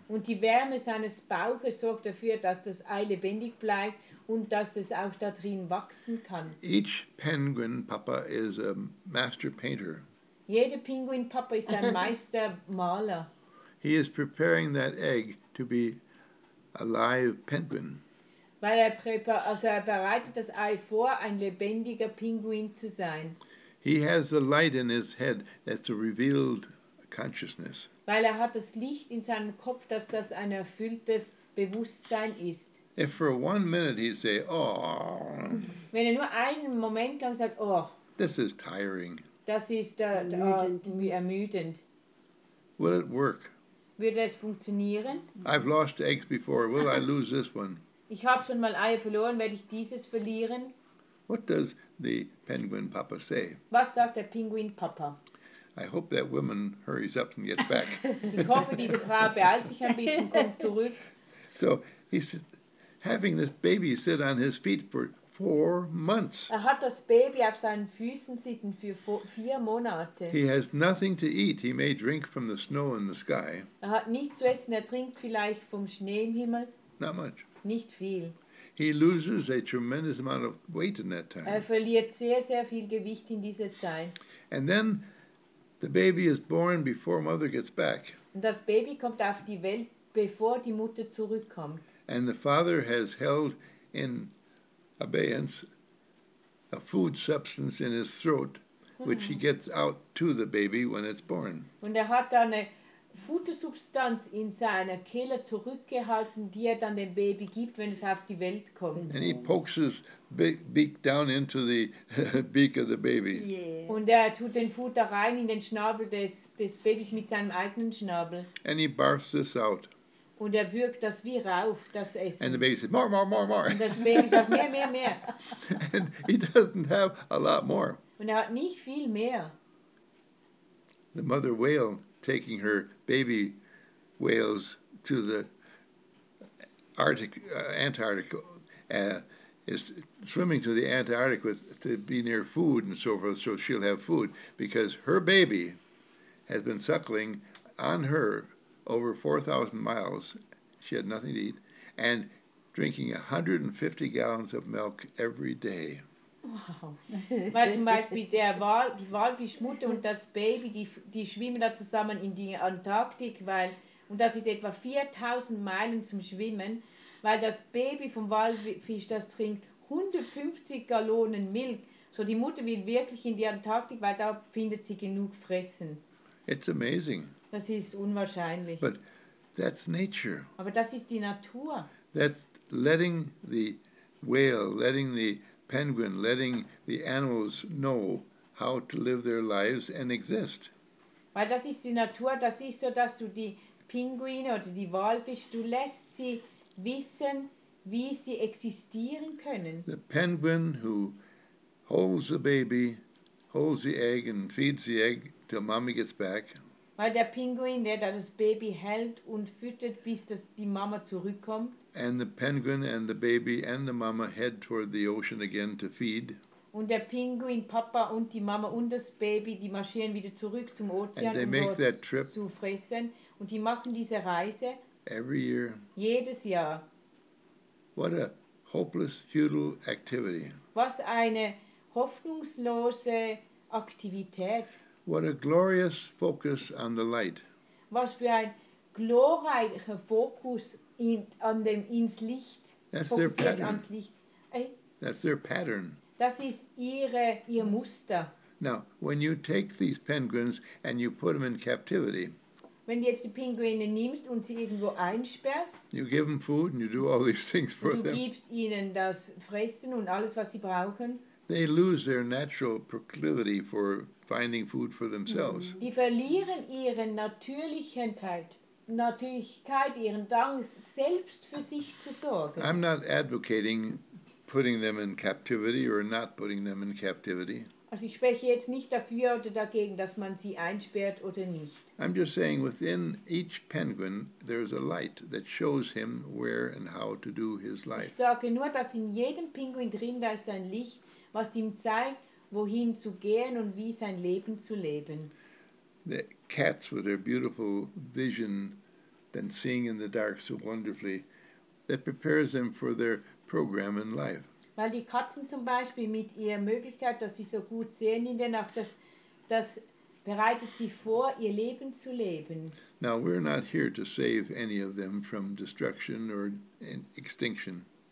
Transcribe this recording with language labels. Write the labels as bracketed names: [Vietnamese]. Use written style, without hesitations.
[German] Und die Wärme seines Bauches sorgt dafür, dass das Ei lebendig bleibt und dass es auch da drin wachsen kann. [English] Each penguin papa is a master painter. [German] Jede Pinguin Papa ist ein Meistermaler. [English] He is preparing that egg to be a live penguin. [German] Weil er bereitet das Ei vor, ein lebendiger Pinguin zu sein. [English] He has the light in his head, that's a revealed consciousness. [German] Weil er hat das Licht in seinem Kopf, dass das ein erfülltes Bewusstsein ist. [English] If for one minute he'd say, oh. [German] Wenn er nur einen Moment lang sagt, oh. [English] This is tiring. [German] Das ist ermüdend. [English] Will it work? [German] Wird es funktionieren? [English] I've lost eggs before. Will I lose this one? [German] Ich habe schon mal Eier verloren. Werde ich dieses verlieren? [English] What does the penguin papa say? [German] Was sagt der Pinguin Papa? [English] I hope that woman hurries up and gets back. [German] Ich hoffe, diese Frau beeilt sich ein bisschen, kommt zurück. [English] So he's having this baby sit on his feet for 4 months. [German] Er hat das Baby auf seinen Füßen sitzen für 4 Monate. [English] He has nothing to eat. He may drink from the snow in the sky. [German] Er hat nichts zu essen. Er trinkt vielleicht vom Schnee im Himmel. [English] Not much. [German] Nicht viel. [English] He loses a tremendous amount of weight in that time. [German] Er verliert sehr, sehr viel Gewicht in dieser Zeit. [English] And then the baby is born before mother gets back. [German] Und das Baby kommt auf die Welt, bevor die Mutter zurückkommt. [English] And the father has held in abeyance a food substance in his throat, which he gets out to the baby when it's born. [German] Und er hat eine Futtersubstanz in seiner Kehle zurückgehalten, die er dann dem Baby gibt, wenn es auf die Welt kommt. [English] And he pokes his beak down into the beak of the baby. Yeah. [German] Und er tut den Futter rein in den Schnabel des Babys mit seinem eigenen Schnabel. [English] And he barfs this out. [German] Und er würgt das wie rauf, das Essen. [English] And the baby says, more, more, more, more. [German] Und das Baby sagt, mehr, mehr, mehr. [English] And he doesn't have a lot more. [German] Und er hat nicht viel mehr. [English] The mother whale taking her baby whales to the Antarctic, is swimming to the Antarctic to be near food and so forth, so she'll have food, because her baby has been suckling on her over 4,000 miles, she had nothing to eat, and drinking 150 gallons of milk every day. Wow. [German] Weil zum Beispiel die Walfischmutter und das Baby, die schwimmen da zusammen in die Antarktik, weil, und das ist etwa 4,000 Meilen zum Schwimmen, weil das Baby vom Walfisch, das trinkt 150 Gallonen Milch. So die Mutter will wirklich in die Antarktik, weil da findet sie genug Fressen. [English] It's amazing. [German] Das ist unwahrscheinlich. [English] But that's nature. [German] Aber das ist die Natur. [English] That's letting the whale, letting the penguin, letting the animals know how to live their lives and exist. [German] Weil das ist die Natur, das ist so, dass du die Pinguine oder die Walfische, du lässt sie wissen, wie sie existieren können. [English] The penguin who holds the baby, holds the egg and feeds the egg till mommy gets back. [German] Weil der Pinguin, der das Baby hält und füttert, bis die Mama zurückkommt. [English] And the penguin and the baby and the mama head toward the ocean again to feed. [German] Und der Pinguin, Papa und die Mama und das Baby, die marschieren wieder zurück zum Ozean, um dort zu fressen. Und die machen diese Reise. [English] Every year. [German] Jedes Jahr. [English] What a hopeless, futile activity. [German] Was eine hoffnungslose Aktivität. [English] What a glorious focus on the light. [German] Was für ein glorreicher Fokus ins Licht. [English] That's their pattern. That's their pattern. [German] Das ist ihr Muster. [English] Now, when you take these penguins and you put them in captivity, [German] wenn du jetzt die Pinguine nimmst und sie irgendwo einsperrst, [English] you give them food and you do all these things for them. [German] Du gibst ihnen das Fressen und alles, was sie brauchen. [English] They lose their natural proclivity for finding food for themselves. [German] Die verlieren ihre Natürlichkeit, ihren Drang, selbst für sich zu sorgen. [English] I'm not advocating putting them in captivity or not putting them in captivity. [German] Also ich spreche jetzt nicht dafür oder dagegen, dass man sie einsperrt oder nicht. [English] I'm just saying within each penguin there is a light that shows him where and how to do his life. [German] Ich sage nur, dass in jedem Pinguin drin da ist ein Licht, was ihm zeigt, wohin zu gehen und wie sein Leben zu leben. [English] The cats with their beautiful vision, then seeing in the dark so wonderfully, that prepares them for their program in life. [German] Weil die Katzen zum Beispiel mit ihrer Möglichkeit, dass sie so gut sehen in der Nacht, das bereitet sie vor, ihr Leben zu leben. [English] Now we're not here to save any of them from destruction or extinction.